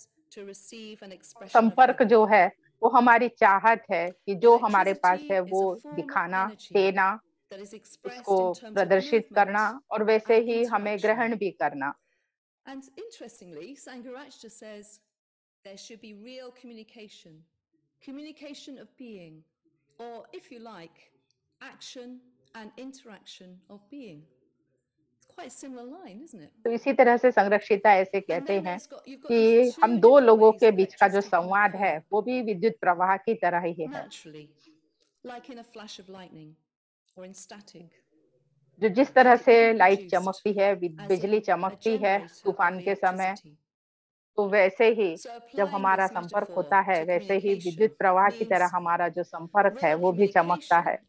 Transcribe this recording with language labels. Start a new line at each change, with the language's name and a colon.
Hindi: संपर्क जो है वो हमारी चाहत है कि जो हमारे पास है वो दिखाना, देना, उसको प्रदर्शित करना, और वैसे ही हमें ग्रहण भी करना.
English: And interestingly, Sangharakshita says there should be real communication, communication of being, or if you like, action and interaction of being. It's quite a similar line, isn't it?
Hindi: तो इसी तरह से संरक्षिता ऐसे कहते हैं कि हम दो लोगों के बीच का जो संवाद है वो भी विद्युत प्रवाह की तरह ही है.
English: Naturally, like in a flash of lightning or in static.
Hindi: जो जिस तरह से लाइट चमकती है, बिजली चमकती है तूफान के समय, तो वैसे ही जब हमारा संपर्क होता है वैसे ही विद्युत प्रवाह की तरह हमारा जो संपर्क है वो भी चमकता है.